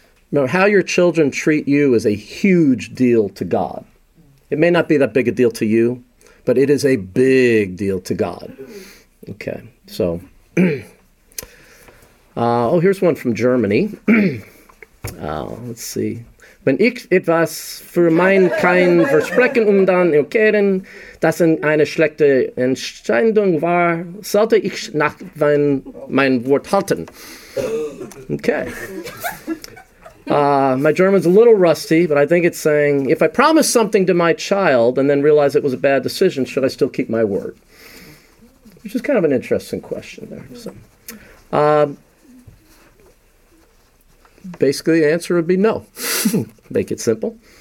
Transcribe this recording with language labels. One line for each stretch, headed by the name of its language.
English: Remember, how your children treat you is a huge deal to God. It may not be that big a deal to you, but it is a big deal to God. Okay, so, here's one from Germany. let's see.
German: Wenn ich etwas für mein Kind versprechen und dann erkennen, dass es eine schlechte Entscheidung war, sollte ich nach mein Wort halten.
English: Okay. My German's a little rusty, but I think it's saying, if I promise something to my child and then realize it was a bad decision, should I still keep my word? Which is kind of an interesting question there. So, basically, the answer would be no. Make it simple.